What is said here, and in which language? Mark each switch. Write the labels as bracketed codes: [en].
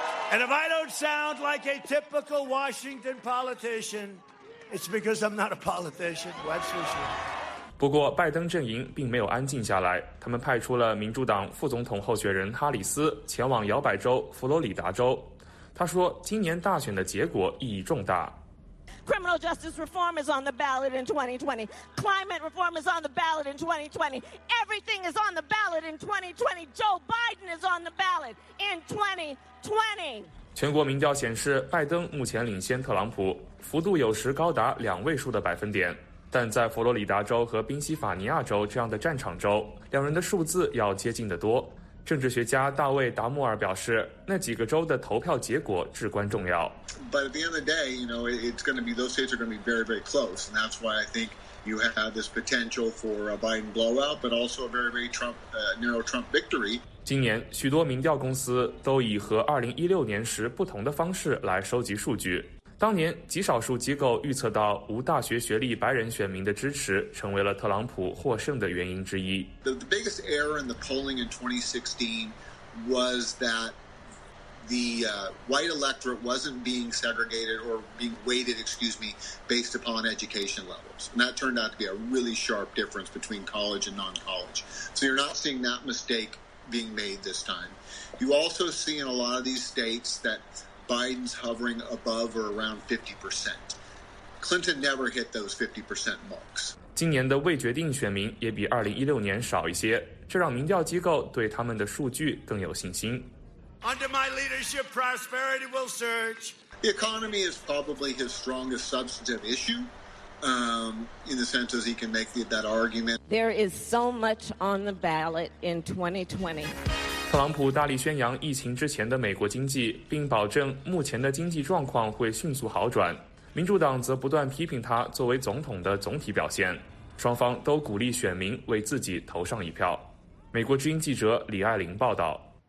[en] And if I don't sound like a typical Washington politician, it's because I'm not a politician. That's for sure. [zh] 不过，拜登阵营并没有安静下来，他们派出了民主党副总统候选人哈里斯前往摇摆州佛罗里达州。他说，今年大选的结果意义重大。 [en] Criminal justice reform is on the ballot in 2020. Climate reform is on the ballot in 2020. Everything is on the ballot in 2020. Joe Biden is on the ballot in 2020. [zh] 全国民调显示，拜登目前领先特朗普，幅度有时高达2位数的百分点。但在佛罗里达州和宾夕法尼亚州这样的战场州，两人的数字要接近得多。政治学家大卫·达穆尔表示，那几个州的投票结果至关重要。 [en] But at the end of the day, you know, it's going to be those states are going to be very, very close, and that's why I think you have this potential for a Biden blowout, but also a very, very Trump, narrow Trump victory. [zh] 今年，许多民调公司都以和2016年时不同的方式来收集数据。当年，极少数机构预测到无大学学历白人选民的支持成为了特朗普获胜的原因之一。 [en] The biggest error in the polling in 2016 was that the white electorate wasn't being segregated or being weighted, excuse me, based upon education levels. And that turned out to be a really sharp difference between college and non-college. So you're not seeing that mistake being made this time. You also see in a lot of these states thatBiden's hovering above or around 50%. Clinton never hit those 50% marks. [zh] 今年的未决定选民也比2016年少一些，这让民调机构对他们的数据更有信心。 [en] Under my leadership, prosperity will surge. The economy is probably his strongest substantive issue, in the sense as he can make that argument. There is so much on the ballot in 2020. [zh] 特朗普大力宣扬疫情之前的美国经济，并保证目前的经济状况会迅速好转。民主党则不断批评他作为总统的总体表现。双方都鼓励选民为自己投上一票。美国之音记者李爱玲报道。